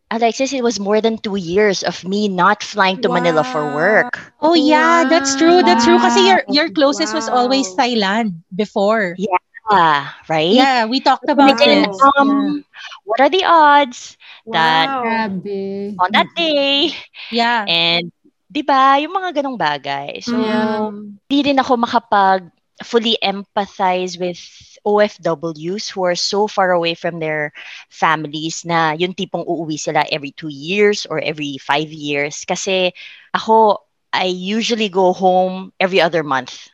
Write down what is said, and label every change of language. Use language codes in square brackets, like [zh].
[en] Alexis, it was more than 2 years of me not flying to Manila for work. Oh, yeah. Wow. That's true. That's true. [tl] Kasi [en] your closest was always Thailand before. Yeah. Right? Yeah. We talked about this. And, what are the odds that on that day? Yeah. [tl] And, di ba, yung mga ganong bagay. [en] So, [tl] di rin ako makapag [en] fully empathize with OFWs who are so far away from their families [tl] na yung tipong uuwi sila [en] every 2 years or every 5 years. [tl] Kasi ako, [en] I usually go home every other month.